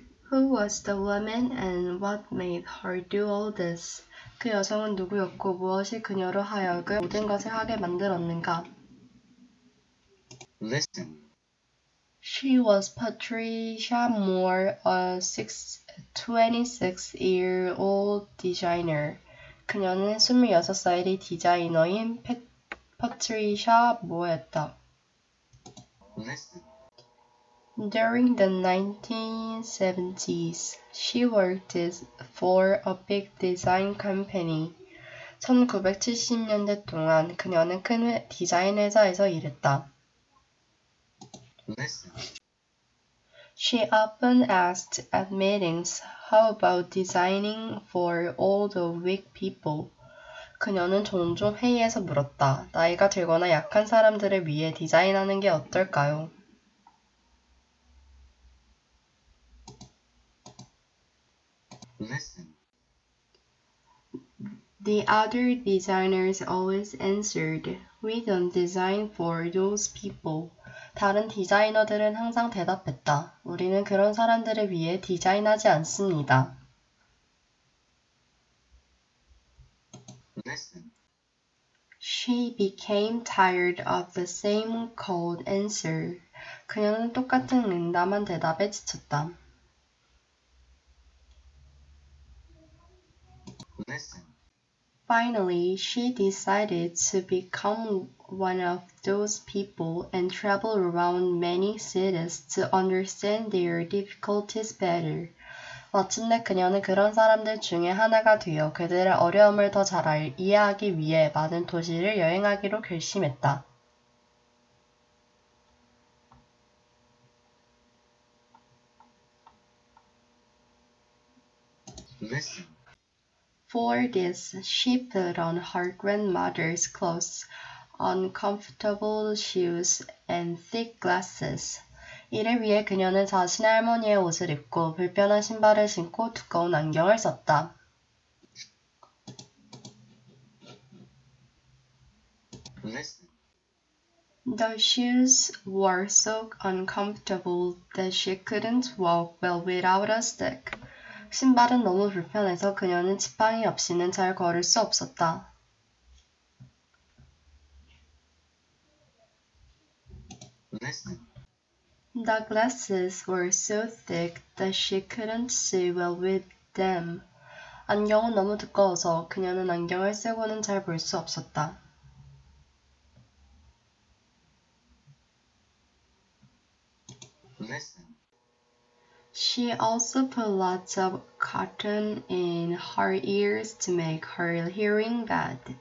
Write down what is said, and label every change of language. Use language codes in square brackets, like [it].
[en] Who was the woman and what made her do all this? [ko] 그 여성은 누구였고 무엇이 그녀로 하여금 모든 것을 하게 만들었는가? [en] Listen. She was Patricia Moore, a 26-year-old designer. [ko] 그녀는 26살의 디자이너인 Patricia Moore였다. [en] Listen. During the 1970s, she worked for a big design company. [ko] 1970년대 동안 그녀는 큰 디자인 회사에서 일했다. [en] Listen. She often asked at meetings, "How about designing for all the weak people?" [ko] 그녀는 종종 회의에서 물었다. 나이가 들거나 약한 사람들을 위해 디자인하는 게 어떨까요? [en] Listen. The other designers always answered, "We don't design for those people." [ko] 다른 디자이너들은 항상 대답했다. 우리는 그런 사람들을 위해 디자인하지 않습니다. [en] Listen. She became tired of the same cold answer. [ko] 그녀는 똑같은 냉담한 대답에 지쳤다. [en] Listen. Finally, she decided to become one of those people and travel around many cities to understand their difficulties better. [ko] 마침내 그녀는 그런 사람들 중에 하나가 되어 그들의 어려움을 더잘 이해하기 위해 많은 도시를 여행하기로 결심했다. [en] Listen. For this, she put on her grandmother's clothes, uncomfortable shoes, and thick glasses. [ko] 이를 위해 그녀는 자신의 할머니의 옷을 입고 불편한 신발을 신고 두꺼운 안경을 썼다. [en] The shoes were so uncomfortable that she couldn't walk well without a stick. [ko] 신발은 너무 불편해서 그녀는 지팡이 없이는 잘 걸을 수 없었다. [en] Listen. The glasses were so thick that she couldn't see well with them. [ko] 안경은 너무 두꺼워서 그녀는 안경을 쓰고는 잘볼수 없었다. [en] Listen. She also put lots of cotton in her ears to make her hearing bad.